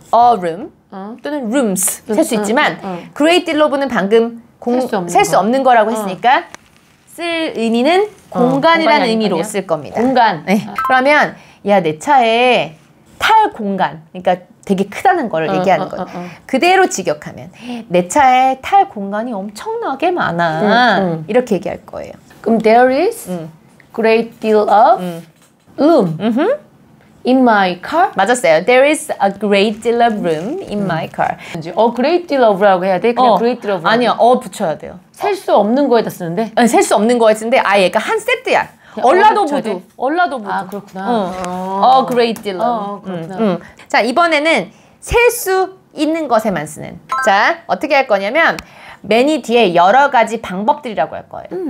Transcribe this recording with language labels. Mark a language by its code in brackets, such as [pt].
[ko] A room 또는 rooms 셀 수 있지만 Great deal of는 방금 셀 수 없는 거라고 했으니까 쓸 의미는 공간이라는 의미로 아니야? 쓸 겁니다. 공간. 네. 그러면 야 내 차에 탈 공간. 그러니까 되게 크다는 걸 얘기하는 거예요. 그대로 직역하면 내 차에 탈 공간이 엄청나게 많아. 이렇게 얘기할 거예요. [en] 그럼 there is great deal of room in my car. [ko] 맞았어요. [en] There is a great deal of room in my car. [ko] Great deal of라고 해야 돼? 그냥 great deal of. 아니요. 붙여야 돼요. 셀 수 없는 거에다 쓰는데? 아니, 셀 수 없는 거에 쓰는데 아예 그러니까 한 세트야. 얼라도 부두. 얼라도 부두. 아, 그렇구나. [en] A great deal of. [ko] 그렇구나. 자, 이번에는 셀 수 있는 것에만 쓰는. 자, 어떻게 할 거냐면 many 뒤에 여러 가지 방법들이라고 할 거예요.